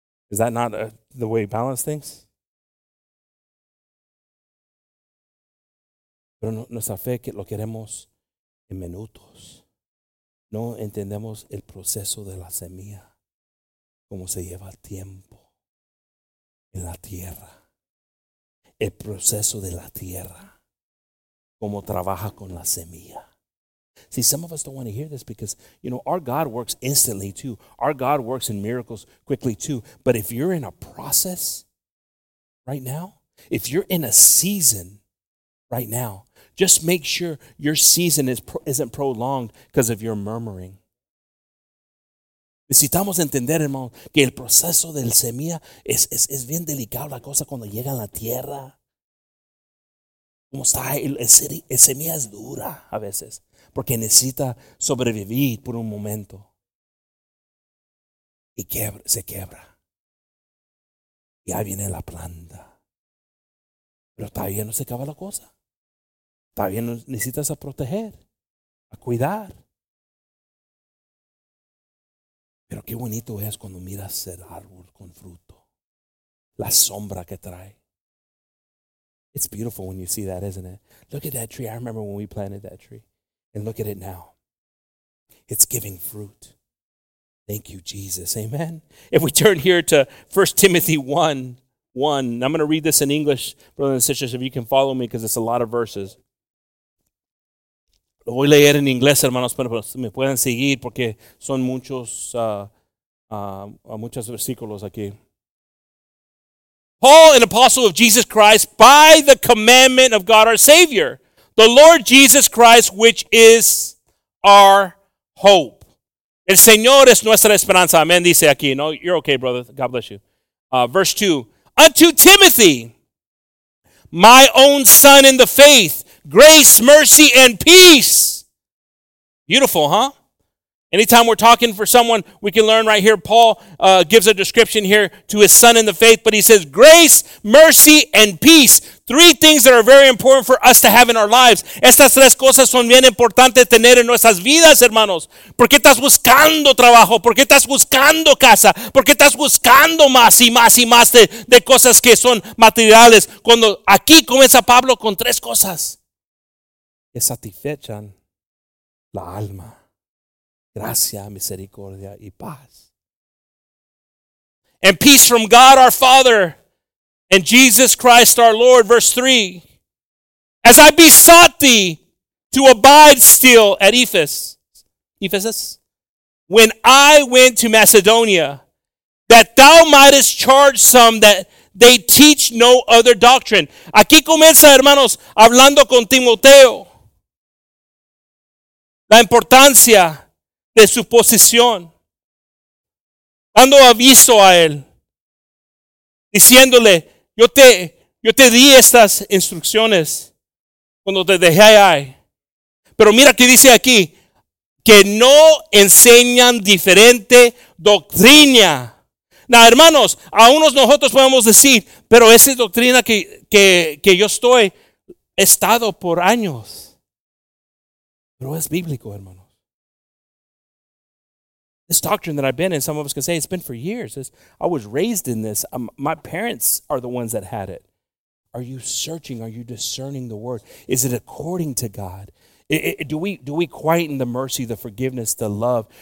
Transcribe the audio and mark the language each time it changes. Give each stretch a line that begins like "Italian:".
English: Is that not the way you balance things?
Spanish: Pero nuestra fe que lo queremos en minutos. No entendemos el proceso de la semilla. Cómo se lleva tiempo. En la tierra, el proceso de la tierra, como trabaja con la semilla.
English: See, some of us don't want to hear this because, you know, our God works instantly too. Our God works in miracles quickly too. But if you're in a process right now, if you're in a season right now, just make sure your season isn't prolonged because of your murmuring.
Spanish: Necesitamos entender, hermano, que el proceso del semilla es bien delicado la cosa cuando llega a la tierra. Como está, el semilla es dura a veces, porque necesita sobrevivir por un momento. Y se quebra. Y ahí viene la planta. Pero todavía no se acaba la cosa. Todavía necesitas a proteger. a cuidar. Pero qué bonito es cuando miras el árbol con fruto, la sombra que trae.
English: It's beautiful when you see that, isn't it? Look at that tree. I remember when we planted that tree. And look at it now. It's giving fruit. Thank you, Jesus. Amen. If we turn here to 1 Timothy 1, 1. I'm going to read this in English, brothers and sisters, if you can follow me, because it's a lot of verses.
Spanish: Lo voy a leer en inglés, hermanos, pero me pueden seguir porque son muchos, muchos versículos aquí.
English: Paul, an apostle of Jesus Christ, by the commandment of God our Savior, the Lord Jesus Christ, which is our hope.
Spanish: El Señor es nuestra esperanza. Amen, dice aquí.
English: No, you're okay, brother. God bless you. Verse 2. Unto Timothy, my own son in the faith, grace, mercy, and peace. Beautiful, huh? Anytime we're talking for someone, we can learn right here. Paul gives a description here to his son in the faith, but he says grace, mercy, and peace. Three things that are very important for us to have in our lives.
Spanish: Estas tres cosas son bien importantes tener en nuestras vidas, hermanos. ¿Por qué estás buscando trabajo? ¿Por qué estás buscando casa? ¿Por qué estás buscando más y más y más de cosas que son materiales? Cuando aquí comienza Pablo con tres cosas que satisfechan la alma. Gracia, misericordia, y paz.
English: And peace from God our Father and Jesus Christ our Lord. Verse 3. As I besought thee to abide still at Ephesus, when I went to Macedonia, that thou mightest charge some that they teach no other doctrine.
Spanish: Aquí comienza, hermanos, hablando con Timoteo. La importancia de su posición, dando aviso a él, diciéndole, yo te di estas instrucciones cuando te dejé ahí. Pero mira que dice aquí, que no enseñan diferente doctrina. Now, hermanos, a unos nosotros podemos decir, pero esa doctrina que yo estoy, he estado por años. Pero es bíblico, hermano.
English: This doctrine that I've been in, some of us can say, it's been for years. I was raised in this. My parents are the ones that had it. Are you searching? Are you discerning the word? Is it according to God? Do we quieten the mercy, the forgiveness, the love?